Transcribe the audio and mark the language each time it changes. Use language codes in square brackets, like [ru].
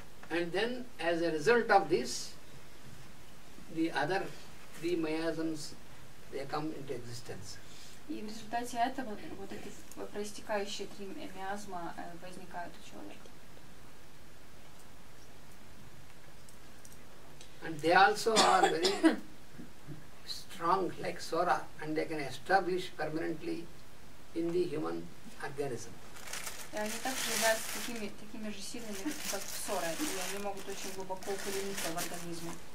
[en] And then, as a result of this, the other three miasms, they come into existence. [ru] И в результате этого вот эти проистекающие три миазма возникают у человека. [en] they also are very strong like Sora, and they can establish permanently in the human organism. [ru] Они также являются такими же сильными, как Сора, и они могут очень глубоко укорениться в организме.